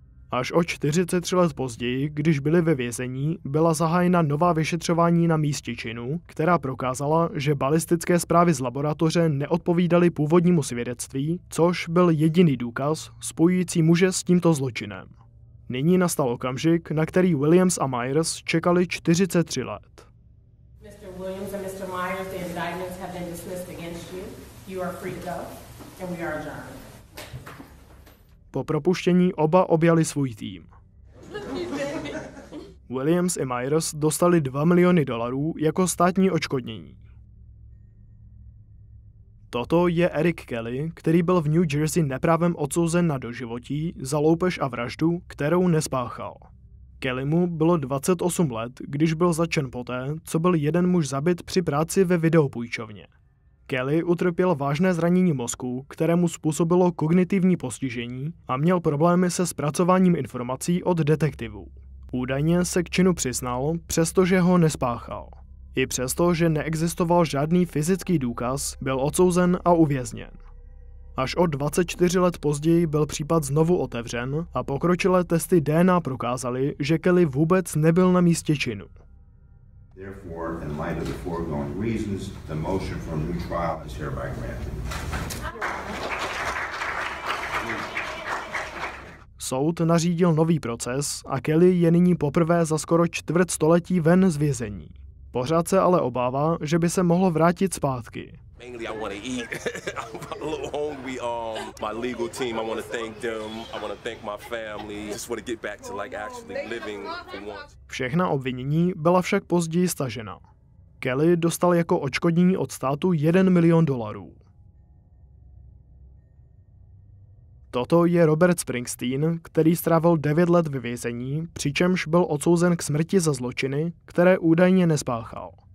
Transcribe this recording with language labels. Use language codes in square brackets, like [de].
[cs] Až o 43 let později, když byli ve vězení, byla zahájena nová vyšetřování na místě činu, která prokázala, že balistické zprávy z laboratoře neodpovídaly původnímu svědectví, což byl jediný důkaz spojující muže s tímto zločinem. Nyní nastal okamžik, na který Williams a Myers čekali 43 let. [en] Mr. Williams and Mr. Myers, the indictments have been dismissed against you. You are free to go, and we are adjourned. [cs] Po propuštění oba objali svůj tým. Williams i Myers dostali $2 miliony jako státní odškodnění. Toto je Eric Kelly, který byl v New Jersey neprávem odsouzen na doživotí za loupež a vraždu, kterou nespáchal. Kellymu bylo 28 let, když byl zatčen poté, co byl jeden muž zabit při práci ve videopůjčovně. Kelly utrpěl vážné zranění mozku, které mu způsobilo kognitivní postižení a měl problémy se zpracováním informací od detektivů. Údajně se k činu přiznal, přestože ho nespáchal. I přesto, že neexistoval žádný fyzický důkaz, byl odsouzen a uvězněn. Až o 24 let později byl případ znovu otevřen a pokročilé testy DNA prokázaly, že Kelly vůbec nebyl na místě činu. [en] Therefore, in light of the foregoing reasons, the motion for a new trial is hereby granted. [cs] Soud nařídil nový proces a Kelly je nyní poprvé za skoro čtvrt století ven z vězení. Pořád se ale obává, že by se mohl vrátit zpátky. [en] Mainly I want to eat. I'm a little hungry. My legal team, I want to thank them. I want to thank my family. Just want to get back to like actually living for once. [cs] Všechna obvinění byla však později stažena. Kelly dostal jako odškodnění od státu $1 milion. Toto je Robert Springsteen, který strávil 9 let ve vězení, přičemž byl odsouzen k smrti za zločiny, které údajně nespáchal.